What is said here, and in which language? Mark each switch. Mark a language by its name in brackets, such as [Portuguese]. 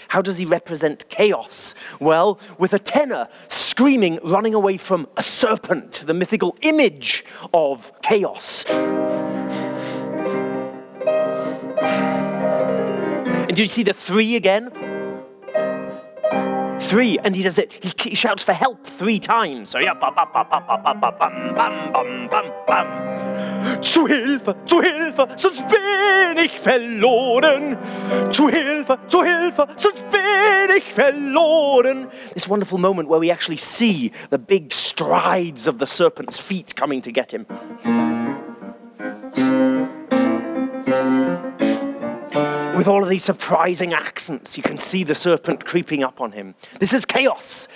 [English] How does he represent chaos? Well, with a tenor screaming, running away from a serpent, the mythical image of chaos. And do you see the three again? Three, and he does it. He shouts for help three times. So yeah, bum, bum, bum, bum, bum, bum, bum, bum, bum, bum. [German] Zu Hilfe, sonst bin ich verloren. Zu Hilfe, sonst bin ich verloren. [English] This wonderful moment where we actually see the big strides of the serpent's feet coming to get him. With all of these surprising accents, you can see the serpent creeping up on him. This is chaos.